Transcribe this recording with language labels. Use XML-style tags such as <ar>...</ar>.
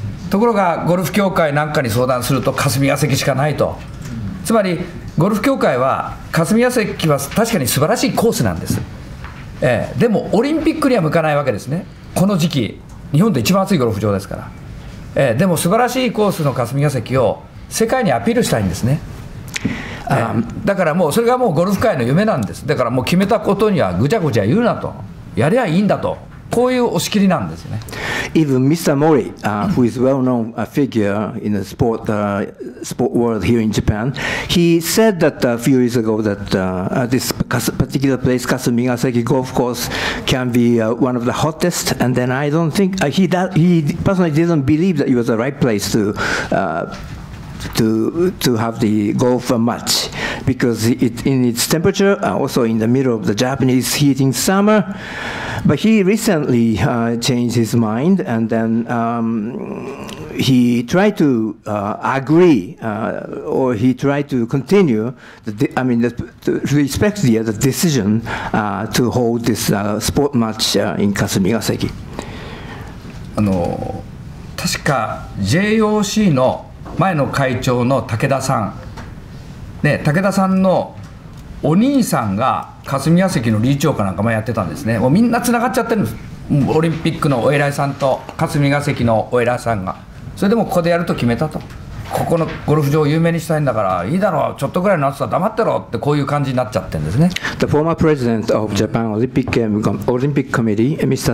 <ja>ところが、ゴルフ協会なんかに相談すると、霞が関しかないと、つまり、ゴルフ協会は、霞が関は確かに素晴らしいコースなんです、でも、オリンピックには向かないわけですね、この時期、日本で一番暑いゴルフ場ですから、でも素晴らしいコースの霞が関を世界にアピールしたいんですね、だからもう、それがもうゴルフ界の夢なんです、だからもう決めたことにはぐちゃぐちゃ言うなと、やりゃいいんだと。</ja> <en>Even Mr. Mori, who is a well-known figure in the sport, sport world here in Japan, he said that a few years ago that this particular place, Kasumigaseki Golf Course, can be one of the hottest. And then I don't think, he personally didn't believe that it was the right place to have the golf match because it, in its temperature, also in the middle of the Japanese heating summer. But he recently changed his mind and then he tried to agree or he tried to continue, to respect the decision to hold this sport match in Kasumigaseki.</en> <ja>確か JOC の前の会長の武田さん、ね、武田さんのお兄さんが霞が関の理事長かなんかもやってたんですね。もうみんなつながっちゃってるんです。オリンピックのお偉いさんと霞が関のお偉いさんが、それでもここでやると決めたと。ここのゴルフ場を有名にしたいんだからいいだろう、ちょっとぐらいの暑さ黙ってろってこういう感じになっちゃってるんですね。</ja> <en>The former president of Japan Olympic Game, Olympic Committee, Mr.</en>